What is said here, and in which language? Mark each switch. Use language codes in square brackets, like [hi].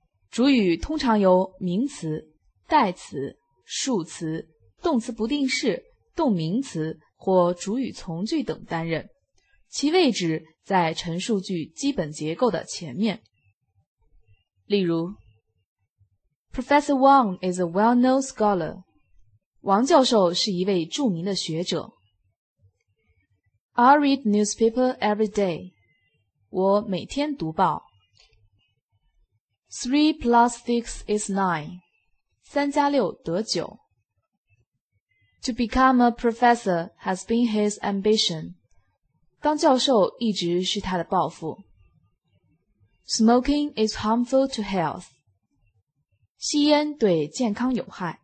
[zh] 主语通常由名词、代词、数词、动词不定式、动名词或主语从句等担任，其位置在陈述句基本结构的前面。例如 [en] Professor Wang is a well-known scholar. [zh] 王教授是一位著名的学者。 I read newspaper every day. 我每天读报。 [en] 3 plus 6 is 9. [zh] 3加6得9。 [en] To become a professor has been his ambition. [zh] 当教授一直是他的抱负。 [en] Smoking is harmful to health. [zh] 吸烟对健康有害。